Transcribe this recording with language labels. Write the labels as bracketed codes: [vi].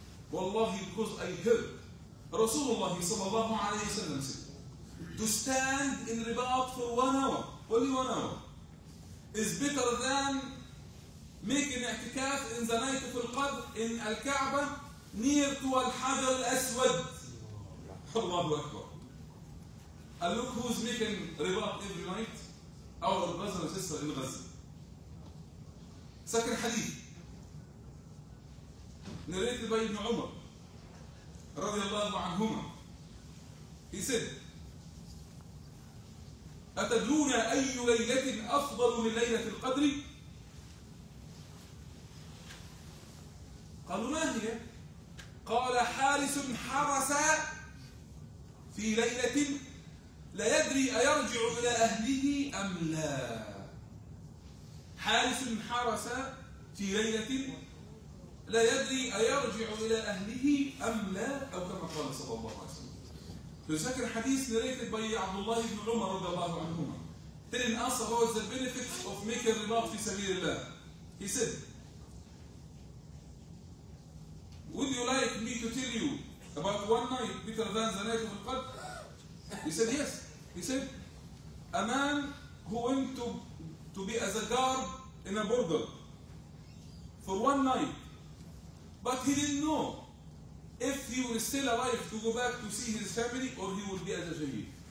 [en] Wallahi, because I heard Rasulullah sallallahu alayhi wa sallam said, to stand in Ribat for 1 hour, only 1 hour, is better than making i'tikaf in the night of al-Qadr in al-Ka'bah near to al-Hajar al-Aswad. Allahu Akbar. And look who's making Ribat every night. Our brother and sister in Gaza. Second hadith, narrated by Ibn Umar, radiallahu anhuma. He said, [ar] أتدرون أي ليلة أفضل من ليلة القدر؟ قالوا ما هي؟ قال حارس حرس في ليلة لا يدري أيرجع إلى أهله أم لا. حارس حرس في ليلة لا يدري أيرجع إلى أهله أم لا، أو كما قال صلى الله عليه وسلم. تذكر حديث [en] narrated by [ar] عبد الله بن عمر رضي الله عنهما. [en] Telling us about the benefits of making ribat [ar] في سبيل الله. [en] He said, would you like me to tell you about one night better than the night of al-Qadr? He said, yes. He said, a man who went to be as a guard in a border for one night, but he didn't know if he was still alive to go back to see his family or he would be as a shaheed.